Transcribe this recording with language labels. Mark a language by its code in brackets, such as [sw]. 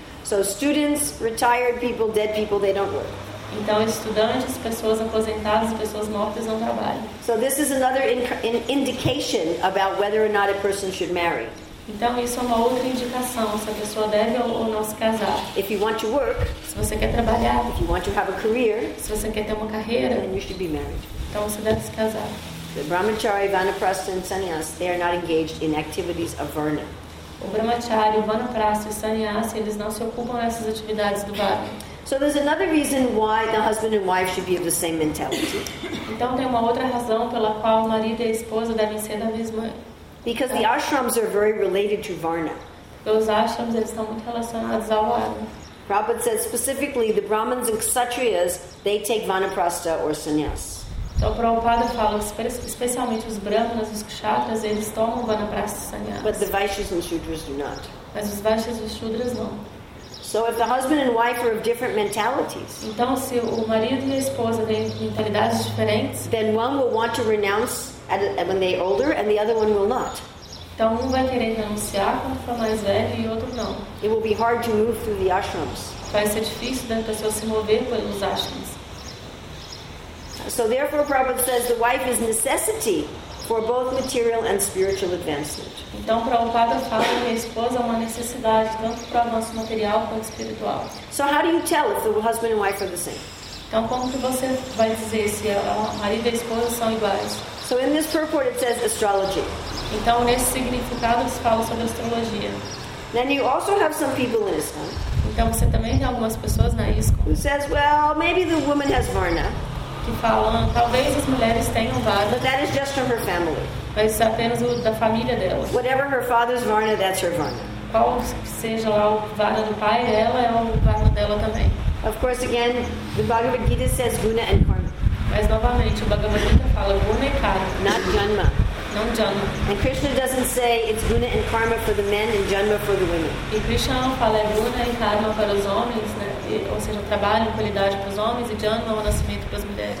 [en] So students, retired people, dead people, they don't work. [pt] Então estudantes, pessoas aposentadas, pessoas mortas não trabalham. [en] So this is another indication about whether or not a person should marry. [pt] Então isso é uma outra indicação se a pessoa deve ou não se casar. [en] If you want to work, [pt] se você quer trabalhar, [en] if you want to have a career, [pt] se você quer ter uma carreira, [en] then you should be married. [pt] Então você deve se casar. [en] The brahmachari, vanaprastha, and sannyas, they are not engaged in activities of varna. [pt] O brahmachari, o vanaprastha e o sannyas, eles não se ocupam nessas atividades do varna. [en] So there's another reason why the husband and wife should be of the same mentality. [pt] Então tem uma outra razão pela qual o marido e a esposa devem ser da mesma. [en] Because the ashrams are very related to varna. [pt] Os ashrams eles estão muito relacionados ao varna. [en] Prabhupada says specifically the brahmins and kshatriyas they take vanaprastha or sannyas. [pt] Então Prabhupada fala especialmente os brahmanas e os kshatras eles tomam vanaprastha e sannyas. [en] But the vaishyas and shudras do not. [pt] Mas os vaishyas e os shudras não. [en] So if the husband and wife are of different mentalities, [pt] então, se o marido e a esposa têm mentalidades diferentes, [en] then one will want to renounce when they are older and the other one will not. [pt] Então um vai querer renunciar quando for mais velho e outro não. [en] It will be hard to move through the ashrams. [pt] Vai ser difícil da pessoa se mover pelos ashrams. [en] So therefore Prabhupada says the wife is necessity for both material and spiritual advancement. [pt] Então, Prabhupada fala que a esposa é uma necessidade tanto para o avanço material quanto espiritual. [en] So how do you tell if the husband and wife are the same? [pt] Então, como que você vai dizer se o marido e a esposa são iguais? [en] So in this purport it says astrology. [pt] Então, nesse significado se fala sobre astrologia. [en] Then you also have some people in Islam. [pt] Então, você também tem algumas pessoas na ISKCON. [en] Who says, well, maybe the woman has varna. [pt] Que falam, talvez as mulheres tenham varna. [en] But that is just from her family. [pt] Mas isso é apenas o da família dela. [en] Whatever her father's varna, that's her varna. [pt] Qual seja lá o varna do pai, ela é o varna dela também. [en] Of course, again, the Bhagavad Gita says guna and karma. [pt] Mas novamente, o Bhagavad Gita fala guna e karma. [en] Not janma. [pt] Não janma. [en] And Krishna doesn't say it's guna and karma for the men and janma for the women. [pt] E Krishna não fala é guna e karma para os homens, né? Ou seja, trabalho, qualidade para os homens e janma ou nascimento para as mulheres.